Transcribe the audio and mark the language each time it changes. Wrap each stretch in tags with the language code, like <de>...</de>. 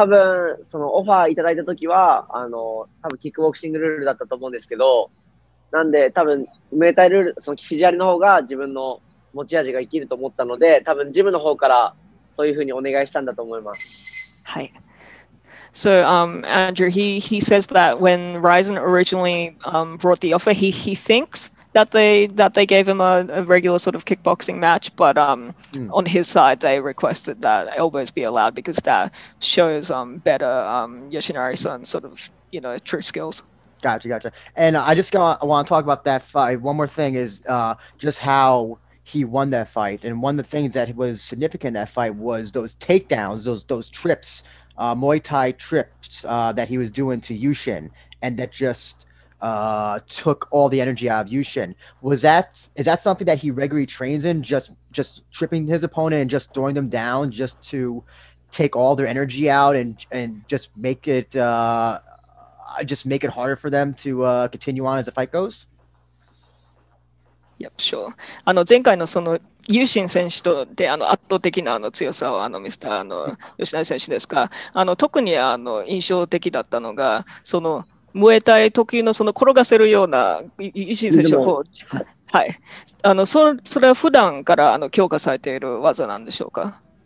<ja>多分そのオファーいただいたときはあの多分キックボクシングルールだったと思うんですけど、なんで多分メータイルールその肘ありの方が自分の持ち味が生きると思ったので、多分ジムの方からそういうふうにお願いしたんだと思います。はい。</ja> <en>So Andrew, he says that when Ryzen originally brought the offer, he thinks that they gave him a regular sort of kickboxing match, but on his side they requested that elbows be allowed because that shows better Yoshinari-san sort of, you know, true skills. Gotcha. And I just want to talk about that fight. One more thing is just how he won that fight. And one of the things that was significant in that fight was those takedowns, those trips, Muay Thai trips that he was doing to Yushin, and that just took all the energy out of Yushin. Is that something that he regularly trains in, just tripping his opponent and just throwing them down just to take all their energy out and just make it harder for them to continue on as the fight goes? Yep, sure.</en> <ja>あの前回のそのユーシン選手とであの圧倒的なあの強さをあの見せたあの吉成選手ですが、あの特にあの印象的だったのがそのムエタイ特有のその転がせるようなユーシン選手のこう、はい、あのそれは普段からあの強化されている技なんでしょうか？</ja>